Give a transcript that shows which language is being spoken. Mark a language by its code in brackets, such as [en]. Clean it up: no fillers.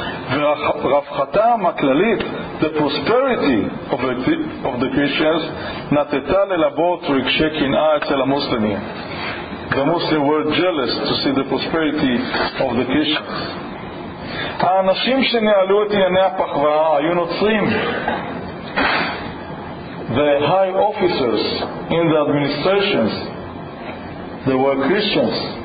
[he] ורווחתם הכללית, [en] the prosperity of the Christians, [he] נתתה ללבות רגשי קנאה אצל המוסלמים. [en] The Muslims were jealous to see the prosperity of the Christians. [he] האנשים שניהלו את ענייני הפחווה היו נוצרים. [en] The high officers in the administrations, they were Christians.